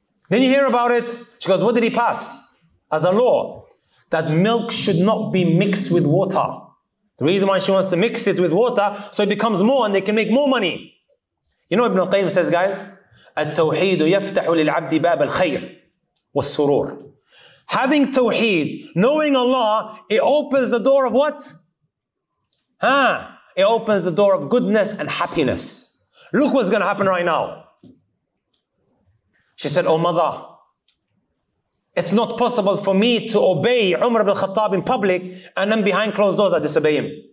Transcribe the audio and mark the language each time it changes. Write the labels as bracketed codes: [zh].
[en] Didn't you hear about it? She goes, what did he pass? As a law, that milk should not be mixed with water. The reason why she wants to mix it with water, so it becomes more and they can make more money. You know what Ibn Qayyim says, guys? [ar] التوحيد يفتح للعبد باب الخير والسرور. [en] Having tawheed, knowing Allah, it opens the door of what? Huh? It opens the door of goodness and happiness. Look what's going to happen right now. She said, oh mother, it's not possible for me to obey Umar ibn Khattab in public and then behind closed doors I disobey him.